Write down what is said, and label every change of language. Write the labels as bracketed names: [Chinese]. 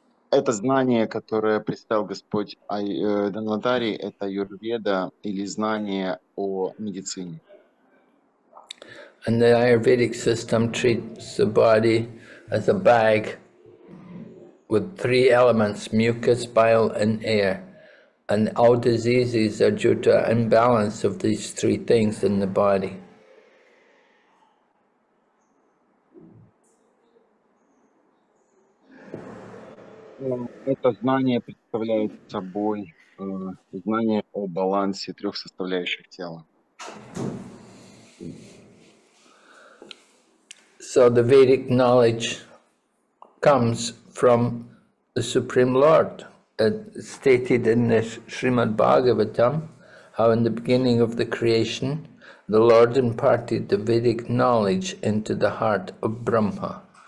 [Russian] Это знание, которое представил Господь Дханвантари, это Аюрведа или знание о медицине. [English] And the Ayurvedic system treats the body as a bag with three elements, mucus, bile, and air. And all diseases are due to imbalance of these three things in the body. [Russian] Это знание представляет собой знание о балансе трех составляющих тела. [English] So the Vedic knowledge comes from the Supreme Lord. It's stated in the Srimad Bhagavatam how in the beginning of the creation the Lord imparted the Vedic knowledge into the heart of Brahma.